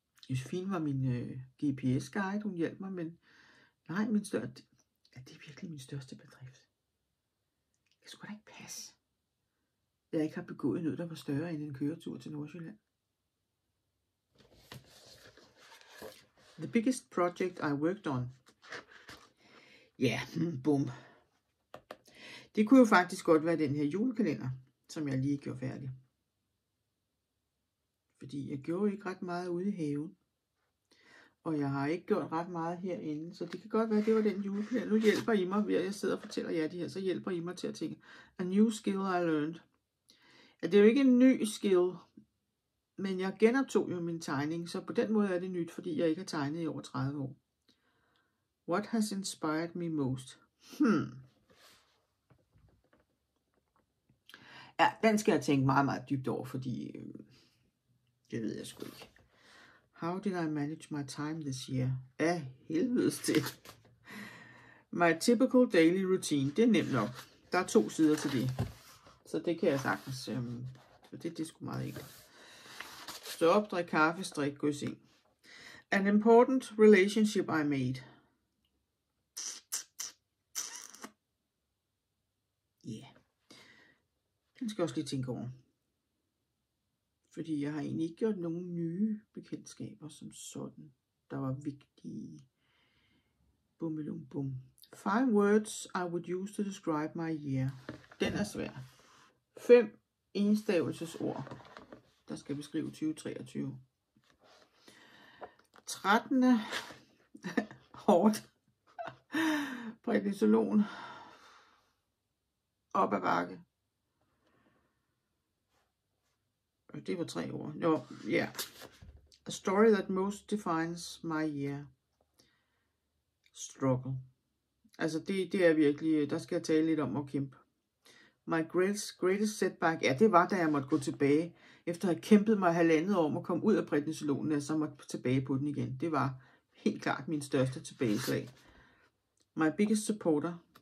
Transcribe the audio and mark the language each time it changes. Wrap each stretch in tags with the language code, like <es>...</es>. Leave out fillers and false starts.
<da>Josefine var min GPS-guide, hun hjalp mig, men nej, min største... Ja, det er virkelig min største bedrift. Det skulle da ikke passe. Jeg ikke har begået noget, der var større end en køretur til Nordsjælland.</da> <en>The biggest project I worked on.</en> <da>Ja, bum. Det kunne jo faktisk godt være den her julekalender, som jeg lige gjorde færdig. Fordi jeg gjorde ikke ret meget ude i haven. Og jeg har ikke gjort ret meget herinde, så det kan godt være, at det var den julekalender. Nu hjælper I mig, ved at jeg sidder og fortæller jer det her, så hjælper I mig til at tænke.</da> <en>A new skill I learned.</en> <da>Ja, det er jo ikke en ny skill, men jeg genoptog jo min tegning, så på den måde er det nyt, fordi jeg ikke har tegnet i over 30 år.</da> <en>What has inspired me most?</en> <da>Ja, den skal jeg tænke meget, meget dybt over, fordi det ved jeg sgu ikke.</da> <en>How did I manage my time this year?</en> <da>Ja, helvedes til.</da> <en>My typical daily routine.</en> <da>Det er nemt nok. Der er to sider til det. Så det kan jeg sagtens. Det er sgu meget enkelt. Stå op, drik kaffe, strik, gå i seng.</da> <en>An important relationship I made. Ja. Yeah.</en> <da>Den skal jeg også lige tænke over. Fordi jeg har egentlig ikke gjort nogen nye bekendtskaber som sådan, der var vigtige. Bum, bum, bum.</da> <en>5 words I would use to describe my year.</en> <da>Den er svær. 5 enstavelsesord, der skal beskrive 2023. 13. Hårdt. Prednisolon. Op ad bakke. Det var 3 ord. Nå, ja.</da> <en>A story that most defines my year. Struggle.</en> <da>Altså, det er virkelig, der skal jeg tale lidt om at kæmpe.</da> <en>My greatest setback,</en> <da>ja, det var, da jeg måtte gå tilbage, efter at have kæmpet mig 1,5 år om at komme ud af prednisolonen, og så måtte tilbage på den igen. Det var helt klart min største tilbageslag.</da> <en>My biggest supporter.</en>